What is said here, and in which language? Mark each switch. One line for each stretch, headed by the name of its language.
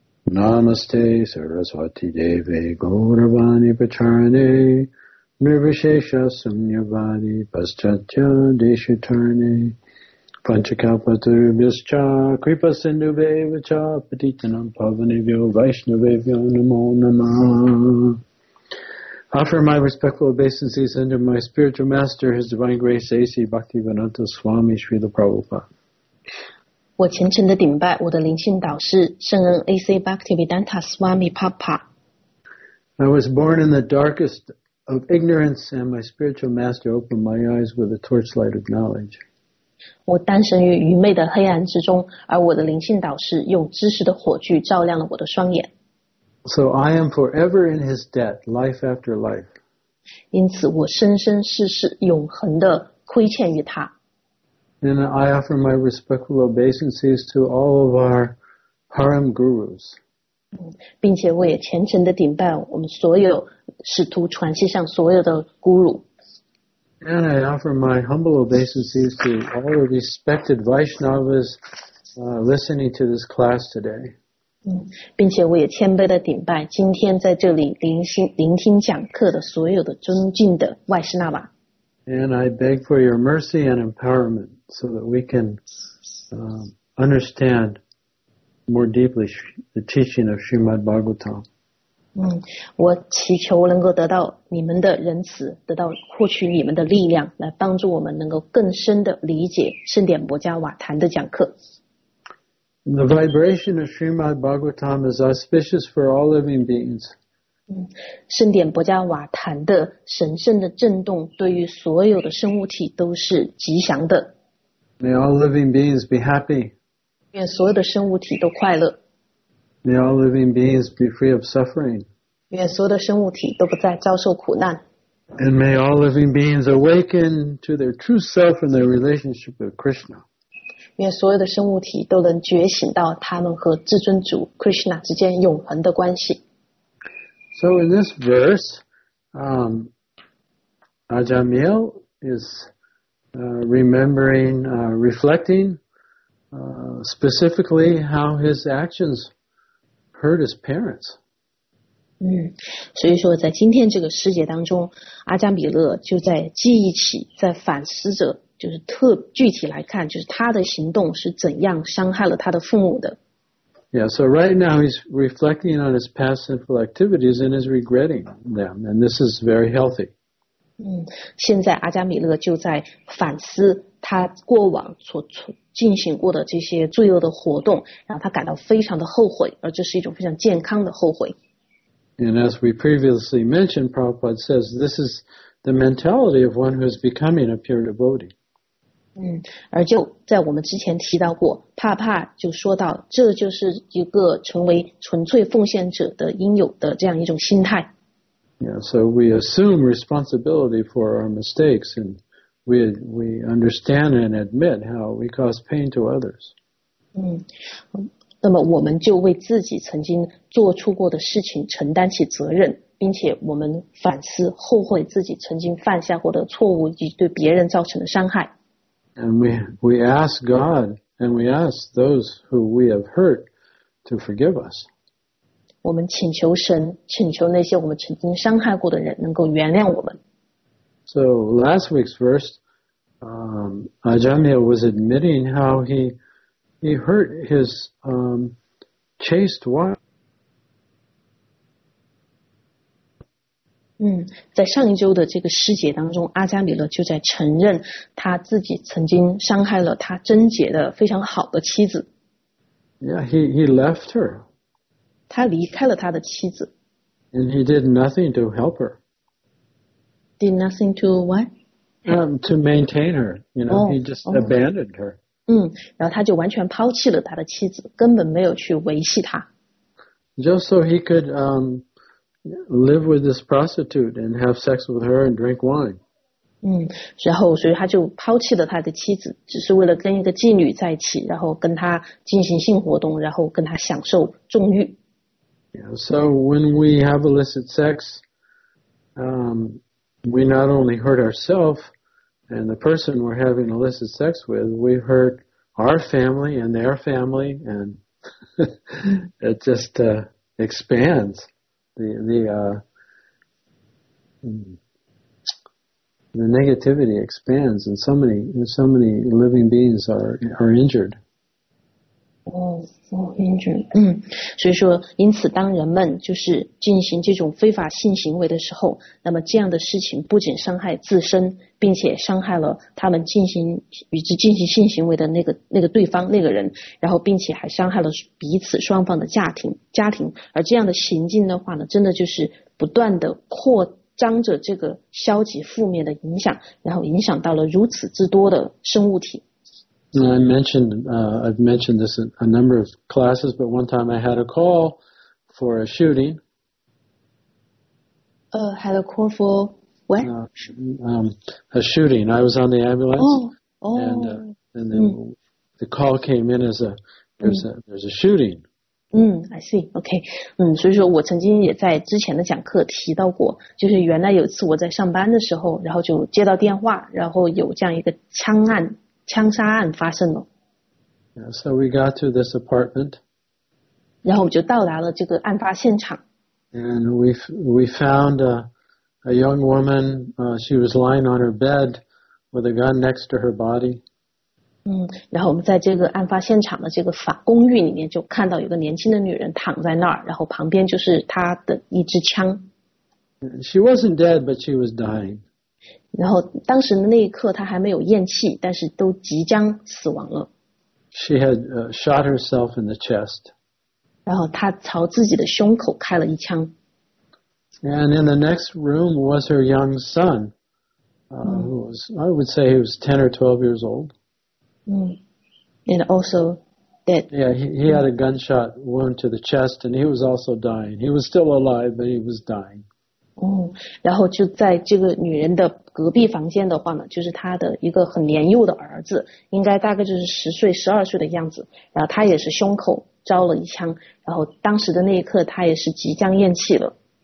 Sanskrit: Namaste Saraswati Deve Gauravani Pacharane Mirvishesha Samyavadi Paschatya Deshitarane Panchakalpaturubhyascha Kripa Sindhubhyascha Patitanam Pavanevyo Vaishnavevyo Namo Namah.
English: Offer my respectful obeisances unto my spiritual master, His Divine Grace A.C. Bhaktivedanta Swami Srila Prabhupada.
Chinese: 我虔诚地顶拜我的灵性导师圣恩 A.C.
English: Bhaktivedanta Swami Papa. I was born in the darkest of ignorance, and my spiritual master opened my eyes with a torchlight of knowledge.
Chinese: 我诞生于愚昧的黑暗之中，而我的灵性导师用知识的火炬照亮了我的双眼。
English: So I am forever in his debt, life after life.
Chinese: 因此我生生世世永恒地亏欠于他。
English: And I offer my respectful obeisances to all of our harem gurus.
Chinese: 并且我也虔诚地顶拜我们所有使徒传世上所有的 guru。
English: And I offer my humble obeisances to all the respected Vaishnavas listening to this class today.
Chinese: 并且我也谦卑地顶拜今天在这里聆听讲课的所有的尊敬的 Vaishnava.
English: And I beg for your mercy and empowerment so that we can understand more deeply the teaching of Srimad Bhagavatam.
Chinese: 我祈求能够得到你们的仁慈，得到获取你们的力量，来帮助我们能够更深的理解圣典薄伽瓦坛的讲课。
English: The vibration of Srimad Bhagavatam is auspicious for all living beings.
Chinese: 圣典薄伽瓦坛的神圣的震动对于所有的生物体都是吉祥的。
English: May all living beings be happy.
Chinese: 愿所有的生物体都快乐。
English: May all living beings be free of suffering.
Chinese: 愿所有的生物体都不再遭受苦难。
English: And may all living beings awaken to their true self and their relationship with Krishna.
Chinese: 愿所有的生物体都能觉醒到他们和至尊主 Krishna 之间永恒的关系。
English: So in this verse, Ajamil is remembering, reflecting specifically how his actions hurt his parents.
Chinese: 所以说在今天这个世界当中，阿加米勒就在记忆起，在反思着，就是特具体来看，就是他的行动是怎样伤害了他的父母的。
English: Yeah, so right now he's reflecting on his past sinful activities and is regretting them, and this is very healthy.
Chinese: 现在阿加米勒就在反思他过往所进行过的这些罪恶的活动，让他感到非常的后悔，而这是一种非常健康的后悔。
English: And as we previously mentioned, Prabhupada says this is the mentality of one who is becoming a pure devotee.
Chinese: 而就在我们之前提到过，帕帕就说到，这就是一个成为纯粹奉献者的应有的这样一种心态。
English: Yeah, so we assume responsibility for our mistakes and we understand and admit how we cause pain to others.
Chinese: 那么我们就为自己曾经做出过的事情承担起责任，并且我们反思后悔自己曾经犯下过的错误以及对别人造成的伤害。
English: And we ask God and we ask those who we have hurt to forgive us.
Chinese: 我们请求神，请求那些我们曾经伤害过的人能够原谅我们。
English: So last week's verse, Ajamiya was admitting how he hurt his chaste wife.
Chinese: 在上一周的这个诗节当中，阿加米勒就在承认他自己曾经伤害了他贞洁的非常好的妻子。
English: Yeah, he left her.
Chinese: 他离开了他的妻子。
English: And he did nothing to help her. Did nothing to what? To maintain her. You know, he just abandoned her.
Chinese: 然后他就完全抛弃了他的妻子，根本没有去维系他。
English: Just so he could live with this prostitute and have sex with her and drink wine.
Chinese: 所以他就抛弃了他的妻子，只是为了跟一个妓女在一起，然后跟他进行性活动，然后跟他享受纵欲。
English: Yeah, so when we have illicit sex, we not only hurt ourselves and the person we're having illicit sex with, we hurt our family and their family, and it just expands. The negativity expands, and so many living beings are injured. Injured.
Chinese: 所以说，因此当人们就是进行这种非法性行为的时候，那么这样的事情不仅伤害自身，并且伤害了他们与之进行性行为的那个对方那个人，然后并且还伤害了彼此双方的家庭。而这样的行径的话呢，真的就是不断的扩张着这个消极负面的影响，然后影响到了如此之多的生物体。
English: I've mentioned this in a number of classes, but one time I had a call for a shooting. Had a call for what? A shooting. I was on the ambulance, the call came in as there's a shooting. I see. Okay.
Chinese: 所以说我曾经也在之前的讲课提到过，就是原来有一次我在上班的时候，然后就接到电话，然后有这样一个枪杀案发生了。
English: Yeah, so we got to this apartment.
Chinese: 然后我们就到达了这个案发现场。
English: And we found a young woman, she was lying on her bed with a gun next to her body.
Chinese: 然后我们在这个案发现场的这个公寓里面就看到有个年轻的女人躺在那儿，然后旁边就是她的一支枪。
English: She wasn't dead, but she was dying.
Chinese: 然后当时的那一刻她还没有咽气，但是都即将死亡了。
English: She had shot herself in the chest.
Chinese: 然后她朝自己的胸口开了一枪。
English: And in the next room was her young son, who was, I would say he was 10 or 12 years old. And also dead. Yeah, he had a gunshot wound to the chest and he was also dying. He was still alive, but he was dying.
Chinese: 然后就在这个女人的隔壁房间的话呢，就是她的一个很年幼的儿子，应该大概就是十岁、十二岁的样子。然后他也是胸口招了一枪，然后当时的那一刻，他也是即将咽气了。